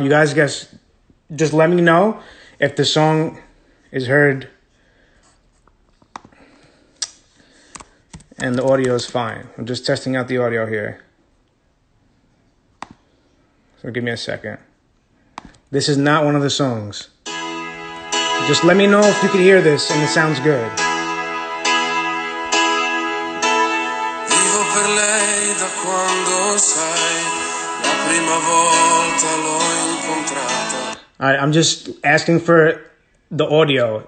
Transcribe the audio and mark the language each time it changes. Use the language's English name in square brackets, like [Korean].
[English] You guys just let me know if the song is heard and the audio is fine. I'm just testing out the audio here. So give me a second. This is not one of the songs. Just let me know if you can hear this and it sounds good. [Italian] Vivo per lei da quando sai, la prima volta l'ho incontrata. [English] All right, I'm just asking for the audio.